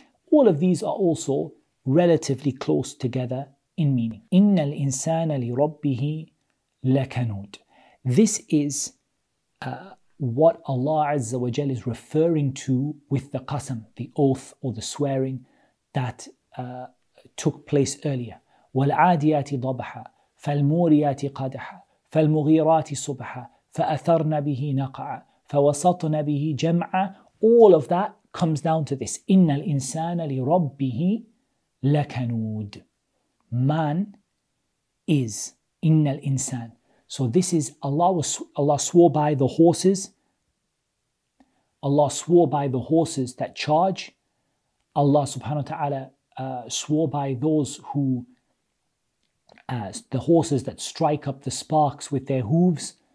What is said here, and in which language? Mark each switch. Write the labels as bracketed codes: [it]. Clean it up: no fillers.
[en] All of these are also relatively close together in meaning. [ar] إن الإنسان لربه لكنود. [en] This is what Allah Azza wa Jal is referring to with the qasam, the oath or the swearing that took place earlier. [ar] والعاديات ضبحا فالموريات قدحا فالمغيرات صبحا فأثرنا به نقعا فوسطنا به جمعا. [en] All of that comes down to this. [ar] إن الإنسان لربه لكنود. [en] Man is [ar] innal insan. [en] So this is Allah swore by the horses. Allah swore by the horses that charge. Allah subhanahu wa ta'ala swore by those who the horses that strike up the sparks with their hooves.